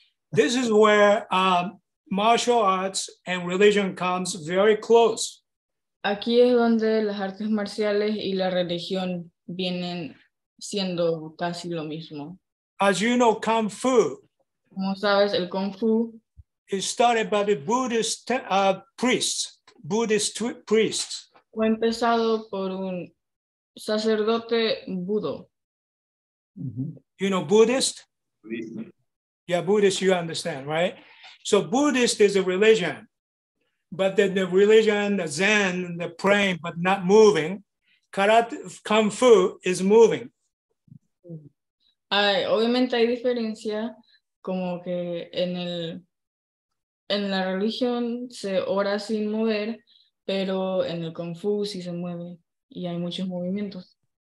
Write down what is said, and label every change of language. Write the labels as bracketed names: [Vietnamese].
[English] This is where martial arts and religion comes very close. [Spanish] Aquí es donde las artes marciales y la religión vienen siendo casi lo mismo. [English] As you know, Kung Fu. [Spanish] Como sabes, el Kung Fu. [English] It started by the Buddhist priests. Buddhist priests. [Spanish] Fue empezado por un sacerdote budo. Mm-hmm. [English] You know Buddhist? Buddhist? Yeah, Buddhist, you understand, right? So Buddhist is a religion. But then the religion, the Zen, the praying, but not moving. Karate, Kung Fu is moving. [Spanish] Hay, obviamente hay diferencia, como que en la religión se ora sin mover, pero en el Kung Fu sí se mueve y hay muchos movimientos.